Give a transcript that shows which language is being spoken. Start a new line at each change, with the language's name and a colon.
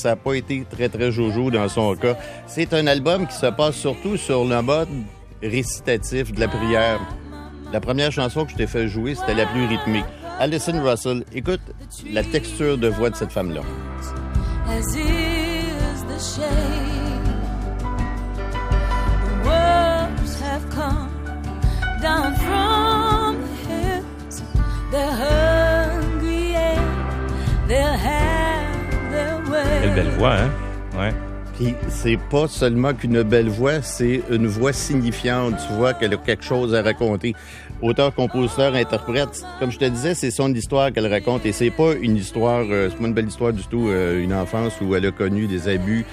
French: Ça n'a pas été très, très jojo dans son cas. C'est un album qui se passe surtout sur le mode récitatif de la prière. La première chanson que je t'ai fait jouer, c'était la plus rythmique. Alison Russell, écoute la texture de voix de cette femme-là.
English: As is the shade. The words have come down from the hills. They're hungry and they'll have their way.
French: Quelle belle voix, hein? Ouais. Puis c'est pas seulement qu'une belle voix, c'est une voix signifiante. Tu vois qu'elle a quelque chose à raconter. Auteur, compositeur, interprète, comme je te disais, c'est son histoire qu'elle raconte. Et c'est pas une histoire, c'est pas une belle histoire du tout, une enfance où elle a connu des abus.